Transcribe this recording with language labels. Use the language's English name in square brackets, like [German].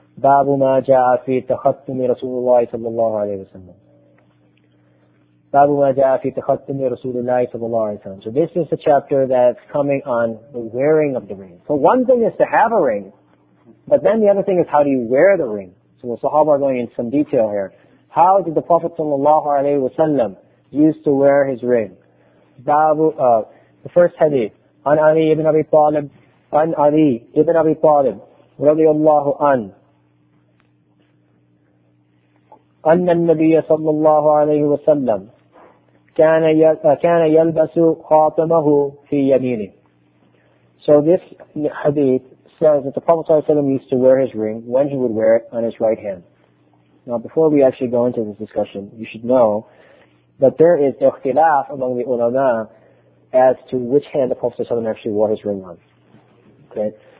[Arabic] باب ما جاء في تختم رسول الله صلى الله عليه وسلم. باب ما جاء في تختم رسول الله صلى الله عليه وسلم. [English] So this is the chapter that's coming on the wearing of the ring. So one thing is to have a ring, but then the other thing is how do you wear the ring. So the Sahaba are going into some detail here. How did the Prophet صلى الله عليه وسلم used to wear his ring? The first hadith. [Arabic] عن علي بن أبي طالب. عن علي بن أبي طالب رضي الله عنه أن النبي صلى الله عليه وسلم كان يلبس خاتمه في يمينه. [English] So this hadith says that the Prophet صلى الله عليه وسلم used to wear his ring when he would wear it on his right hand. Now before we actually go into this discussion, you should know that there is ikhtilaf among the ulama as to which hand the Prophet ﷺ actually wore his ring on. Okay?